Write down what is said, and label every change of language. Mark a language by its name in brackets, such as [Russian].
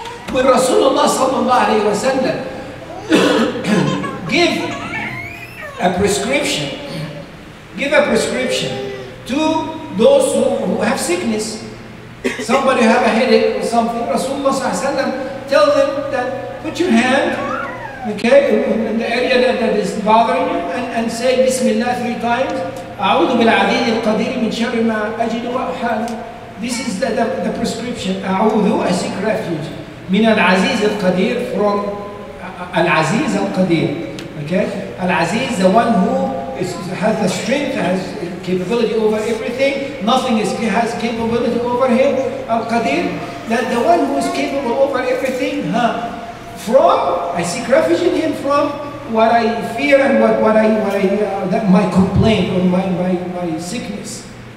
[English] When Rasulullah sallallahu alayhi wa sallam give a prescription to those who have sickness, somebody have a headache or something, Rasulullah sallallahu alayhi wa sallam tell them that put your hand, okay, in the area that is bothering you and say Bismillah three times. [Arabic] أعوذ بالعزيز القدير من شر ما أجد وأحال. [English] This is the prescription. [Arabic] أعوذ, [English] I seek refuge. [Arabic] من العزيز القدير, from العزيز القدير. [English] Okay? العزيز, the one who has the strength, has capability over everything. Nothing has capability over him. القدير, that the one who is capable over everything. Huh? From, I seek refuge in him from what I fear and what I my complaint or my sickness.